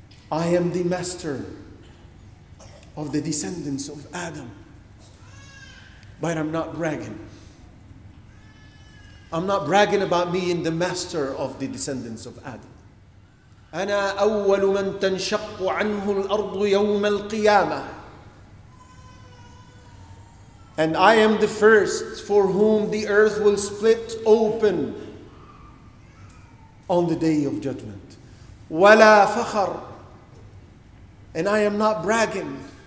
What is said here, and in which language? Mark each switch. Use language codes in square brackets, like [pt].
[en] I am the master of the descendants of Adam, but I'm not bragging. I'm not bragging about being the master of the descendants of Adam. [ar] أنا أول من تنشق عنه الأرض يوم القيامة. [en] And I am the first for whom the earth will split open on the day of judgment. [ar] ولا فخر. [en] And I am not bragging.